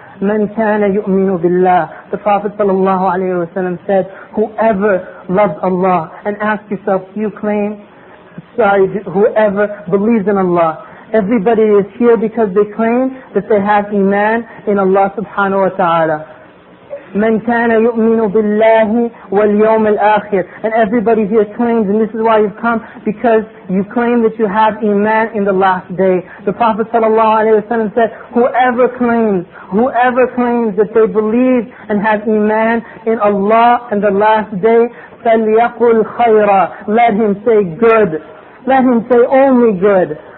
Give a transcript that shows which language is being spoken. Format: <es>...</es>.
<ar>Man kana yu'minu billah.</ar> <en>The Prophet sallallahu alaihi wasallam said, whoever loves Allah. And ask yourself, do you claim? Sorry, whoever believes in Allah. Everybody is here because they claim that they have iman in Allah subhanahu wa ta'ala.</en> <ar>من كان يؤمن بالله واليوم الآخر.</ar> <en>And everybody here claims, and this is why you've come, because you claim that you have iman in the last day. The Prophet sallallahu alaihi wasallam said, whoever claims that they believe and have iman in Allah and the last day,</en> <ar>فَلْيَقُلْ خَيْرًا,</ar> <en>let him say good, let him say only good.</en>